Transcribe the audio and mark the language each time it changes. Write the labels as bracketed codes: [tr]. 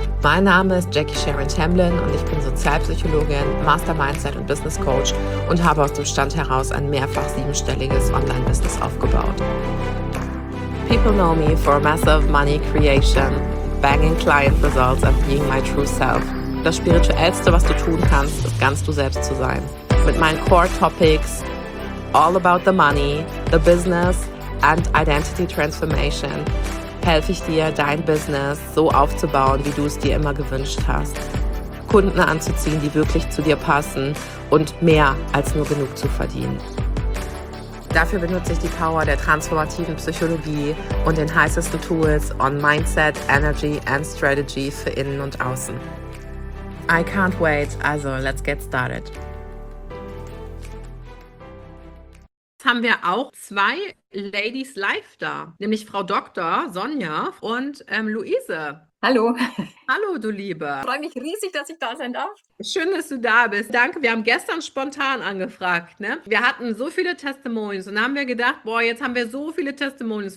[de] Mein Name ist Jackie Sharon Tamblyn und ich bin Sozialpsychologin, Master Mindset und Business Coach und habe aus dem Stand heraus ein mehrfach siebenstelliges Online-Business aufgebaut. [en] People know me for massive money creation, banging client results and being my true self. [de] Das Spirituellste, was du tun kannst, ist ganz du selbst zu sein. Mit meinen Core Topics, [en] all about the money, the business and identity transformation, [de] helfe ich dir, dein Business so aufzubauen, wie du es dir immer gewünscht hast. Kunden anzuziehen, die wirklich zu dir passen und mehr als nur genug zu verdienen. Dafür benutze ich die Power der transformativen Psychologie und den heißesten Tools [en] on Mindset, Energy and Strategy [de] für innen und außen. [en] I can't wait, also let's get started. [de] Haben wir auch zwei Ladies live da, nämlich Frau Dr. Sonja und Luise. Hallo. Hallo, du Liebe. Ich freue mich riesig, dass ich da sein darf. Schön, dass du da bist. Danke, wir haben gestern spontan angefragt. Ne? Wir hatten so viele Testimonials und da haben wir gedacht, boah, jetzt haben wir so viele Testimonials.